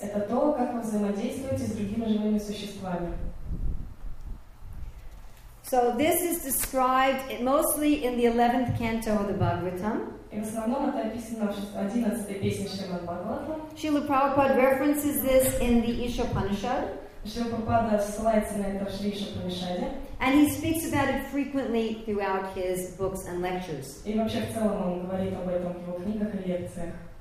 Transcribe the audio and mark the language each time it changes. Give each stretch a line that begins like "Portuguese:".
Russian: Это то, как вы взаимодействуете с другими живыми существами.
English: So this is described mostly in the 11th canto of the Bhagavatam.
Russian: И в основном это описано в 11-й песне Шримад Бхагаватам.
English: Шрила Прабхупада references this in the Ишопанишад.
Russian: Шрила Прабхупада ссылается на это в Ишопанишаде.
English: And he speaks about it frequently throughout his books and lectures.
Russian: И вообще в целом он говорит об этом в его книгах и лекциях.